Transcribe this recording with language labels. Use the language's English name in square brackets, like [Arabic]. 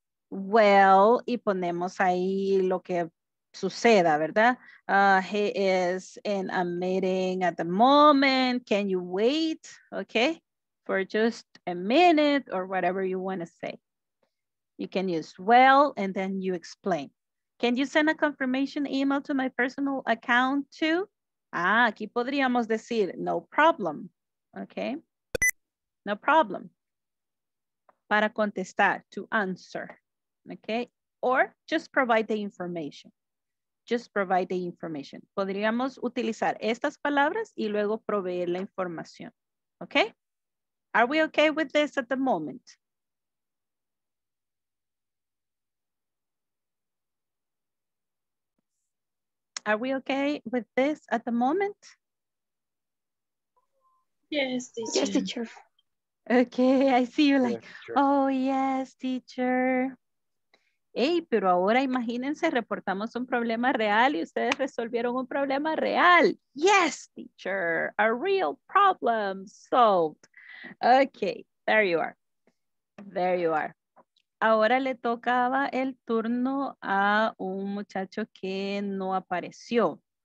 [Spanish] Well, y ponemos ahí lo que suceda, ¿verdad? [English] He is in a meeting at the moment. Can you wait? Okay. For just a minute or whatever you want to say. You can use well and then you explain. Can you send a confirmation email to my personal account too? Ah, [Spanish] aquí podríamos decir, [English] no problem. Okay. No problem. [Spanish] Para contestar, [English] to answer. Okay. Or just provide the information. Just provide the information. [Spanish] Podríamos utilizar estas palabras y luego proveer la información. [English] Okay? Are we okay with this at the moment? Are we okay with this at the moment? Yes, teacher. Yes, teacher. Okay, I see you like, yes, oh, yes, teacher. [Spanish] Hey, pero ahora imagínense, reportamos un problema real y ustedes resolvieron un problema real. [English] Yes, teacher, a real problem solved. Okay, there you are. [Spanish] There you are. Ahora le tocaba el turno a un muchacho que no apareció.